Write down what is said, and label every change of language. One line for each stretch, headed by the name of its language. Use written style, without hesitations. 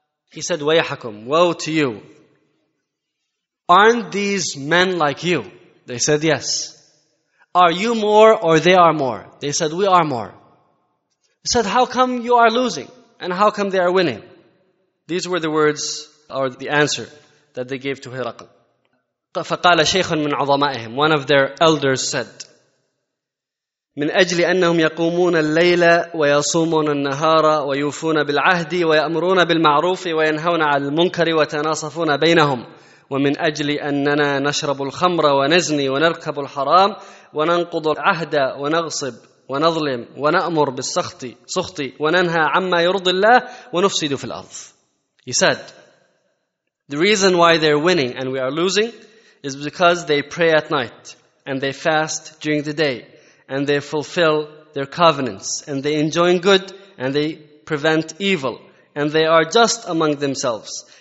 English: He said, وَيَحَكُمْ, woe to you. Aren't these men like you? They said, yes. Are you more or they are more? They said, we are more. He said, how come you are losing? And how come they are winning? These were the words, or the answer, that they gave to Hiraql.
Arabic: فَقَالَ شَيْخٌ مِنْ عُظَمَائِهِمْ,
English: one of their elders said,
Arabic: من أجل أنهم يقومون الليل ويصومون النهار ويوفون بالعهد ويأمرون بالمعروف وينهون عن المنكر وتناصفون بينهم ومن أجل أننا نشرب الخمر ونزني ونركب الحرام وننقض العهد ونغصب ونظلم ونأمر بالسخط وننهى عما يرضي الله ونفسد في الأرض.
English: He said, the reason why they're winning and we are losing is because they pray at night and they fast during the day, and they fulfill their covenants, and they enjoin good, and they prevent evil, and they are just among themselves.